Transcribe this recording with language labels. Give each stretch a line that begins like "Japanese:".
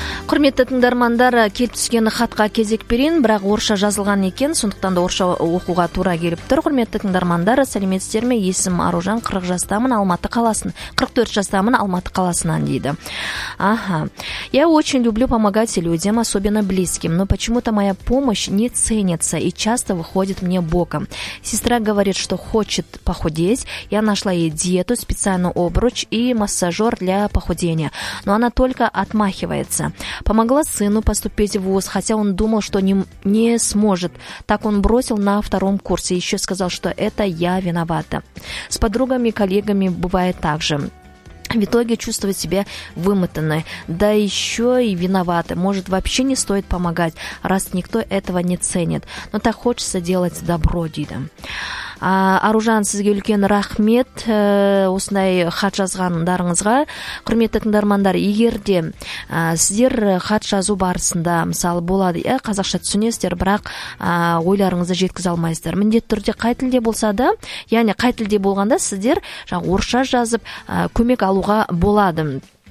Kazakh: құрметті тыңдармандар, келіп түскен хатқа кезек берейін, бірақ орысша жазылған екен, сондықтан да орысша оқуға тура келіп тұр. Құрметті тыңдармандар, сәлеметсіздер ме? Есім Аружан, 40 жастамын, Алматы қаласынан. 44 жастамын, Алматы қаласынан дейді. Ага.
Russian: Я очень люблю помогать людям, особенно близким, но почему-то моя помощь не ценится и часто выходит мне боком. Сестра говорит, что хочет похудеть. Я нашла ей диету, специальный обруч и массажер для похудения. Но она только отмахивается. Помогла сыну поступить в ВУЗ, хотя он думал, что не сможет. Так он бросил на втором курсе. Еще сказал, что это я виновата. С подругами, коллегами бывает так же. В итоге чувствует себя вымотанной, да еще и виноватой. Может, вообще не стоит помогать, раз никто этого не ценит. Но так хочется делать добро, дейді.
Kazakh: Аружан, сізге үлкен рахмет осындай хат жазғандарыңызға. Құрметті тыңдармандар, егер де сіздер хат жазу барысында, мысалы, болады, қазақша түсінесіздер, бірақ ойларыңызды жеткізе алмайсыздар. Міндетті түрде қай тілде болса да, яғни қай тілде болғанда сіздер орысша жазып көмек алуға болады.